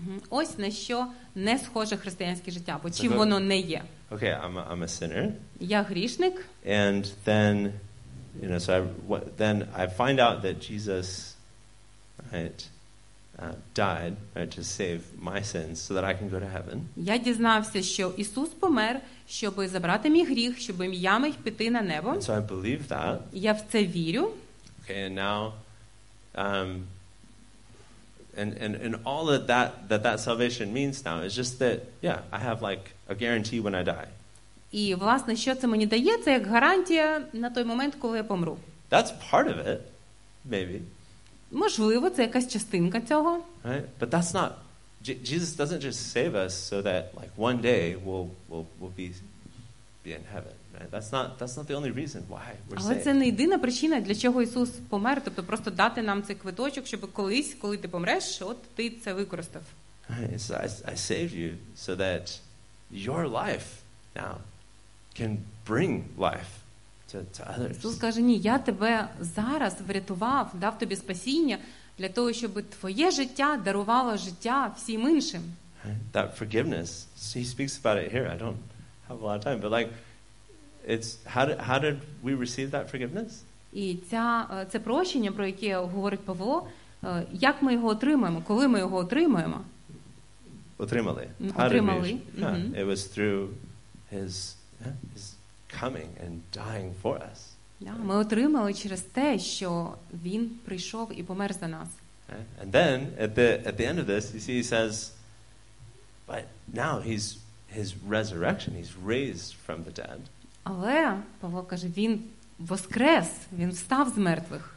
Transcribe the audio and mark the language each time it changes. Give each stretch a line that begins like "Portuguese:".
Ukrainian: Ось на що не схоже християнське життя, бо чим воно не є.
English: Okay, I'm a sinner.
Ukrainian: Я грішник.
English: And then, you know, I find out that Jesus, right, died, right, to save my sins so that I can go to heaven.
Ukrainian: Я дізнався, що Ісус помер, щоб забрати мій гріх, щоб я міг піти на небо.
English: And so I believe that.
Ukrainian: Я в це вірю.
English: Okay, and now and all of that that salvation means now is just that, yeah, I have like a guarantee when I die.
Ukrainian: І власне, що це мені дає, це як гарантія на той момент, коли я помру.
English: That's part of it, maybe.
Ukrainian: Можливо, це якась частинка цього.
English: Right? But that's not. Jesus doesn't just save us so that like one day we'll be in heaven. Right? That's not the only reason why we're
Ukrainian: Але
English: saved.
Ukrainian: Це не єдина причина, для чого Ісус помер, тобто просто дати нам цей квиточок, щоб колись, коли ти помреш, от ти це використав.
English: Right? So I saved you so that your life now can bring life to others.
Ukrainian: Ісус каже: "Ні, я тебе зараз врятував, дав тобі спасіння для того, щоб твоє життя дарувало життя всім іншим."
English: That forgiveness. He speaks about it here. I don't have a lot of time, but like it's how did we receive that forgiveness?
Ukrainian: І це прощення, про яке говорить Павло, як ми його отримаємо, коли ми його отримаємо? Отримали. Отримали.
English: It was through his coming and dying for us. Yeah,
Ukrainian: ми отримали через те, що він прийшов і помер за нас.
English: And then at the end of this, you see, he says, but now his resurrection, he's raised from the dead.
Ukrainian: Але Павло каже, він воскрес, він встав з мертвих.